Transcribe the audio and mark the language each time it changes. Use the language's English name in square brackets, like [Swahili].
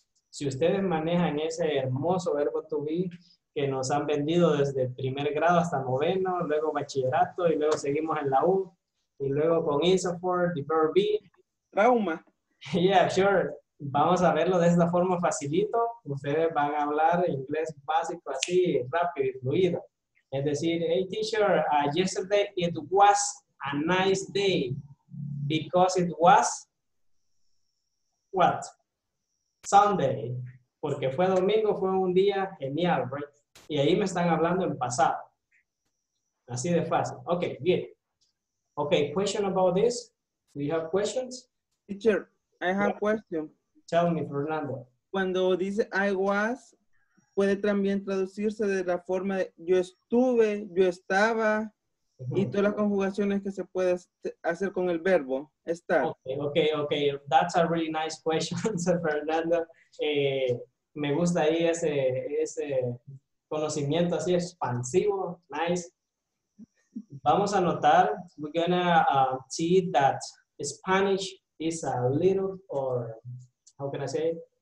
[Spanish] Si ustedes manejan ese hermoso verbo to be que nos han vendido desde primer grado hasta noveno, luego bachillerato y luego seguimos en la U. Y luego con Isoport, [English] the verb be. [Spanish] Trauma. [English] Yeah, sure. [Spanish] Vamos a verlo de esta forma facilito. Ustedes van a hablar inglés básico así, rápido y fluido. Es decir, [English] hey teacher, yesterday it was a nice day because it was, what? Sunday. [Spanish] Porque fue domingo, fue un día genial, right? Y ahí me están hablando en pasado. Así de fácil. Ok, bien. [English] Ok, question about this? Do you have questions? Teacher, I have a question. Tell me, Fernando. [Spanish] Cuando dice I was, puede también traducirse de la forma de yo estuve, yo estaba, y todas las conjugaciones que se puede hacer con el verbo, estar. [English] Okay, okay, okay. That's a really nice question, Fernando. [Spanish] Me gusta ahí ese conocimiento así expansivo, nice. Vamos a notar, [English] we're gonna see that Spanish is a little, or how can I say it?